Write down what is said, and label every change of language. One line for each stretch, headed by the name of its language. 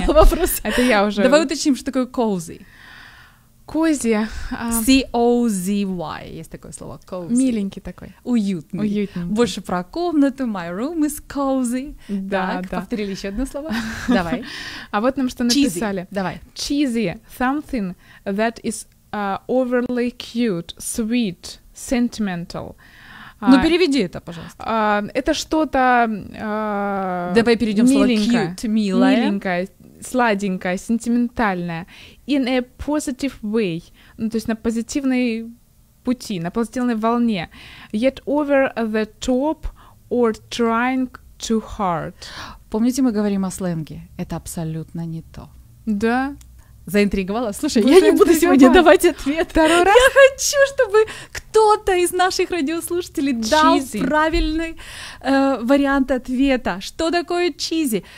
Russian: Не было вопроса. Это я уже. Давай уточним, что такое cozy.
English: Cozy.
Russian: C-O-Z-Y. Есть такое слово. Cozy. Миленький такой. Уютный. Уютненький. Больше про комнату.
English: My room is cozy.
Russian: Да, так, да. Повторили еще одно слово. Давай. А вот нам что
English: cheesy.
Russian: Написали. Давай.
English: Cheesy. Something that is overly cute, sweet, sentimental.
Russian: Ну, переведи это, пожалуйста. Это что-то... Давай перейдем миленькое. Слово cute, милое. Миленькое, сладенькое, сентиментальное.
English: In a positive way.
Russian: Ну, то есть на позитивной пути, на позитивной волне.
English: Yet over the top or trying too hard.
Russian: Помните, мы говорим о сленге? Это абсолютно не то. Да. Заинтриговала? Слушай, я не буду сегодня давать ответ. Второй раз? Я хочу, чтобы кто-то из наших радиослушателей
English: cheesy.
Russian: Дал правильный вариант ответа. Что такое cheesy?